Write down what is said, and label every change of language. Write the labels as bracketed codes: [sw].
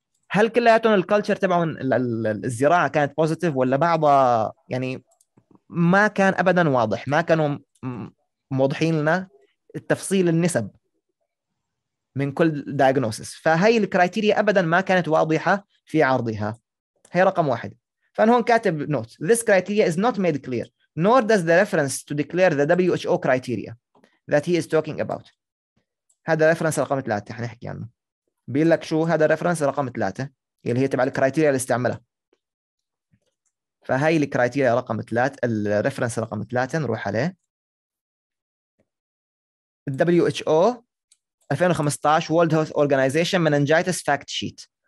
[ar] هل كلياتهم الكلتشر تبعهم الزراعه كانت بوزيتيف ولا بعضها يعني ما كان ابدا واضح ما كانوا موضحين لنا التفصيل النسب من كل دياجنوسيس. فهي الكرايتيريا ابدا ما كانت واضحه في عرضها. هي رقم واحد. فأنا هون كاتب نوت [en] this criteria is not made clear nor does the reference to declare the WHO criteria that he is talking about. [ar] هذا الرفرنس رقم 3 حنحكي عنه. بيقول لك شو هذا الرفرنس رقم 3 اللي هي تبع الكرايتيريا اللي استعملها. فهي الكرايتيريا رقم 3 الرفرنس رقم 3 نروح عليه. [en] ال WHO 2015 World Health Organization Meningitis Fact Sheet.